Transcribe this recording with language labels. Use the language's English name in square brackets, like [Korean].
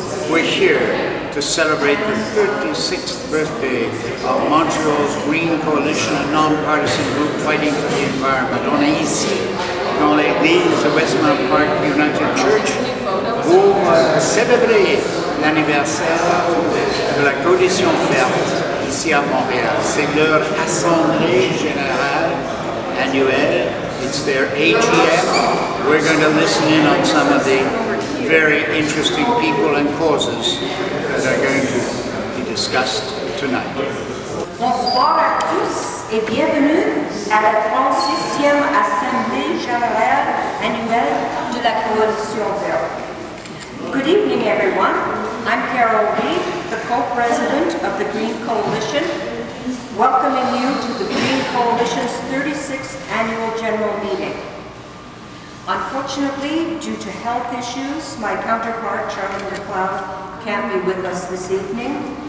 [English] We're here to celebrate the 36th birthday of Montreal's Green Coalition, a non-partisan group fighting for the environment. [French] On est ici, dans l'église de Westmount Park United Church, pour célébrer l'anniversaire de la Coalition Verte ici à Montréal. C'est leur assemblée générale annuelle. [English] It's their AGM. We're going to listen in on some of the very interesting people and causes that are going to be discussed tonight. [French] Bonsoir à tous et bienvenue à la 36e Assemblée générale annuelle de la Coalition Verte. [English] Good evening, everyone. I'm Carol Lee, the co-president of the Green Coalition, welcoming you to the Green Coalition's 36th annual general meeting. Unfortunately, due to health issues, my counterpart, Charlie McLeod, can't be with us this evening.